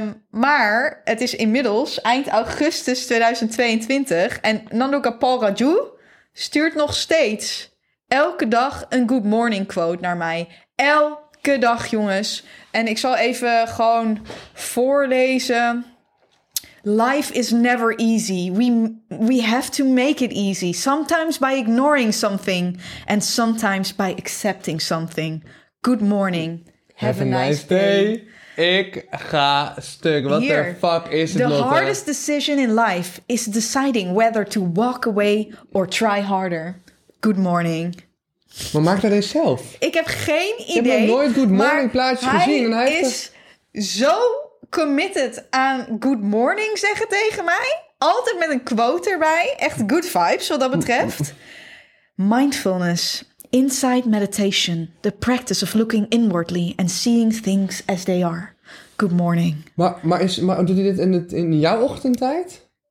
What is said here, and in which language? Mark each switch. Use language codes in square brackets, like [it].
[nl] Maar het is inmiddels eind augustus 2022 en Nanda Gopal Raju stuurt nog steeds elke dag een [en] good morning quote [nl] naar mij. Elke dag, jongens. En ik zal even gewoon voorlezen. [en] Life is never easy. We have to make it easy. Sometimes by ignoring something. And sometimes by accepting something. Good morning. Have a nice day. [nl] Ik ga stuk. [en] What Here, the fuck is het, Lotte? The hardest decision in life is deciding whether to walk away or try harder. Good morning. [nl] Maar maak dat eens zelf. Ik heb geen idee. Ik heb nog nooit Good Morning plaatjes gezien. Hij is zo committed aan Good Morning zeggen tegen mij. Altijd met een quote erbij. Echt [en] good vibes [nl] wat dat betreft. Mindfulness. [en] Inside meditation. The practice of looking inwardly and seeing things as they are. Good morning. [nl] Maar doet hij dit in jouw ochtendtijd?